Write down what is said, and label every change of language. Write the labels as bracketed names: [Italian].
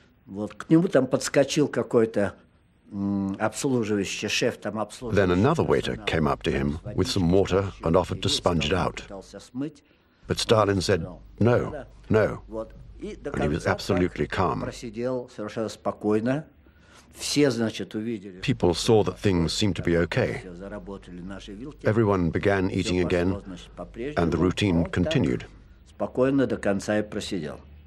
[Russian] Вот к нему там подскочил какой-то. Обслуживающий шеф там обслуживающий. [English] Then another waiter came up to him with some water and offered to sponge it out. But Stalin said, no, no. And he was absolutely calm. People saw that things seemed to be okay. Everyone began eating again, and the routine continued. [Russian] Спокойно до конца и просидел.